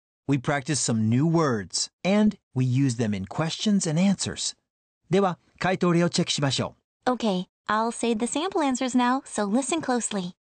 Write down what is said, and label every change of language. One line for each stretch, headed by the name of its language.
English: We practiced some new words, and we used them in questions and answers.
Japanese: では、回答例をチェックしましょう。
English: Okay, I'll say the sample answers now, so listen closely.